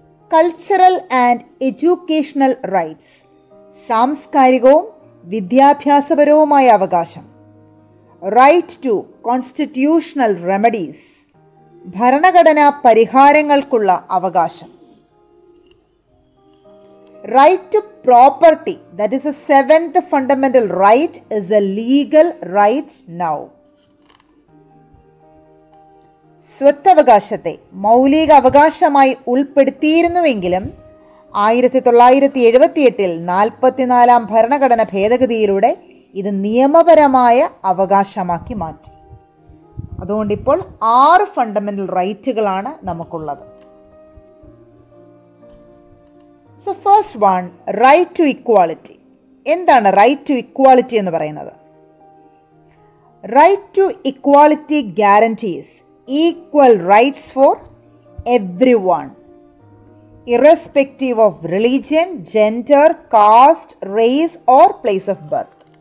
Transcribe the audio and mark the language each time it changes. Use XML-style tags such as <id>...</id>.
<en>cultural and educational rights,</en> <ml>സാംസ്കാരികവും വിദ്യാഭ്യാസപരവുമായ അവകാശം.</ml> <en>right to constitutional remedies,</en> <ml>ഭരണഘടനാ പരിഹാരങ്ങൾക്കുള്ള അവകാശം.</ml> <en>Right to property, that is the seventh fundamental right, is a legal right now.</en> <ml>സ്വത്തവകാശത്തെ മൗലിക അവകാശമായി ഉൾപ്പെടുത്തിയിരുന്നുവെങ്കിലും 1978 44 ഭരണഘടന ഭേദഗതിയിലൂടെ ഇത് നിയമപരമായ അവകാശമാക്കി മാറ്റി. അതുകൊണ്ടിപ്പോൾ 6 ഫണ്ടമെന്റൽ റൈറ്റുകളാണ് നമുക്കുള്ളത്.</ml> <en>So first one, right to equality.</en> <ml>എന്താണ് right to equality എന്ന് പറയുന്നത്?</ml> <en>Right to equality guarantees equal rights for everyone. irrespective of religion, gender, caste, race or place of birth.</en>